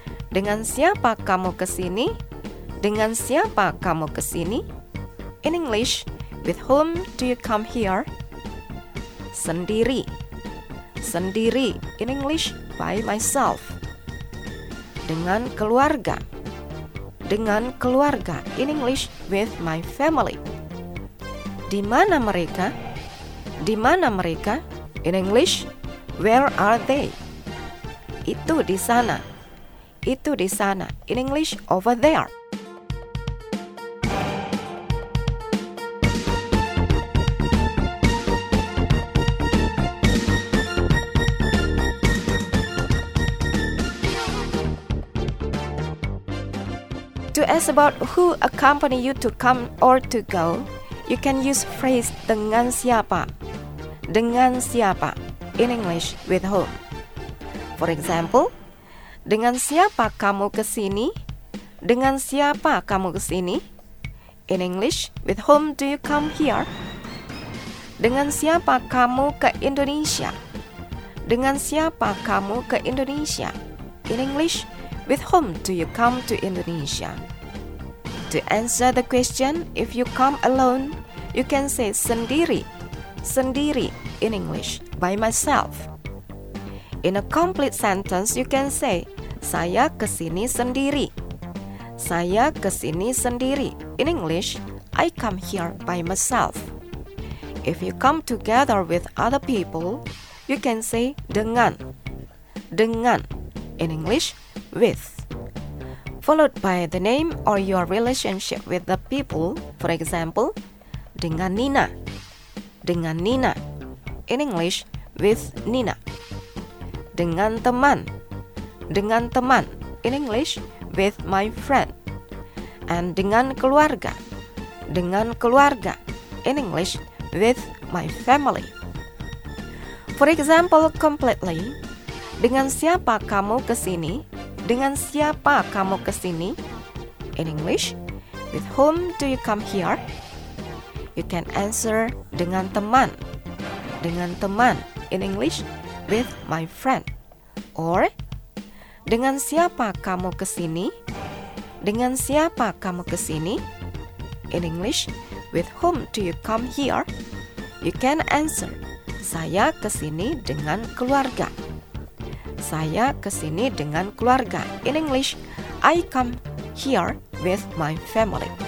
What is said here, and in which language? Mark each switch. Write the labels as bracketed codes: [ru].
[id] Dengan siapa kamu kesini? Dengan siapa kamu kesini? [en] In English, with whom do you come here? [id] Sendiri. Sendiri. [en] In English, by myself. [id] Dengan keluarga. Dengan keluarga, [en] in English, with my family. [id] Di mana mereka? Di mana mereka? [en] In English, where are they? [id] Itu di sana. Itu di sana. [en] In English, over there. To ask about who accompany you to come or to go, you can use phrase dengan siapa. Dengan siapa in English with whom. For example, [id] dengan siapa kamu ke sini? Dengan siapa kamu ke sini? [en] In English, with whom do you come here? [id] Dengan siapa kamu ke Indonesia? Dengan siapa kamu ke Indonesia? [en] In English, with whom do you come to Indonesia? To answer the question, if you come alone, you can say sendiri, sendiri in English, by myself. In a complete sentence, you can say [id] saya kesini sendiri. Saya kesini sendiri. [en] In English, I come here by myself. If you come together with other people, you can say dengan. Dengan. In English, with. Followed by the name or your relationship with the people, for example, dengan Nina. [id] Dengan Nina. [en] In English, with Nina. [id] Dengan teman. Dengan teman. [en] In English, with my friend. And [id] dengan keluarga. Dengan keluarga. [en] In English, with my family. For example, completely. [id] Dengan siapa kamu kesini? Dengan siapa kamu kesini? [en] In English, with whom do you come here? You can answer [id] dengan teman. Dengan teman. [en] In English, with my friend. Or [id] dengan siapa kamu kesini? Dengan siapa kamu kesini? [en] In English, with whom do you come here? You can answer, [id] saya kesini dengan keluarga. Saya kesini dengan keluarga. [en] In English, I come here with my family.